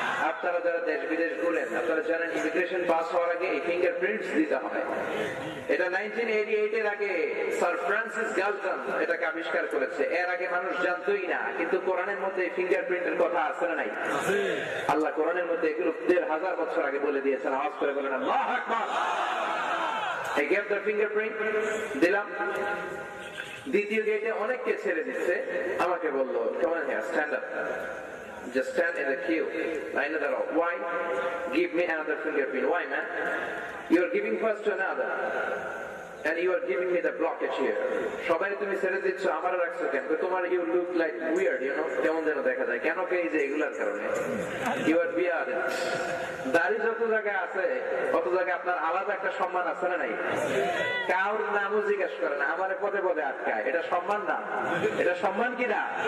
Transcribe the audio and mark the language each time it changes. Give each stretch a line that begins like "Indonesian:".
Bangla: আপনারা যারা দেশ বিদেশ ঘুরেন, আপনারা জানেন, ইমিগ্রেশন পাস হওয়ার আগে এই ফিঙ্গারপ্রিন্টস দিতে হয়। এটা 1988 এর আগে স্যার ফ্রান্সিস গালটন এটাকে আবিষ্কার করেছে, এর আগে মানুষ জানতোই না। কিন্তু কোরআনের মধ্যে ফিঙ্গারপ্রিন্টের কথা আছে না নাই? আল্লাহ কোরআনের মধ্যে এগুলো 1500 বছর আগে বলে দিয়েছেন। আওয়াজ করে বলেন, আল্লাহ আকবার।
English: I gave the fingerprint,
Bangla: দিলাম। দ্বিতীয় গেটে অনেককে ছেড়ে দিচ্ছে, আমাকে বললো,
English: come on here, stand up, just stand in the queue, line it up, why? Give me another fingerprint, why man? You are giving first to another, and you are giving me the blockage here.
Bangla: সবাই তুমি ছেড়ে দিচ্ছ, আমার রাখছো কেন? তোমার,
English: you look like weird, you know,
Bangla: কেমন যেন দেখা যায়, কেন কে যে এগুলার কারণে?
English: You are weird.
Bangla: দাড়ি যত জায়গায় আছে তত জায়গায় আপনার আলাদা একটা সম্মান আছে না নাই? কার নামও জিজ্ঞেস করে না, আমার পদে পদে আটকায়, এটা সম্মান না? এটা সম্মান কি না?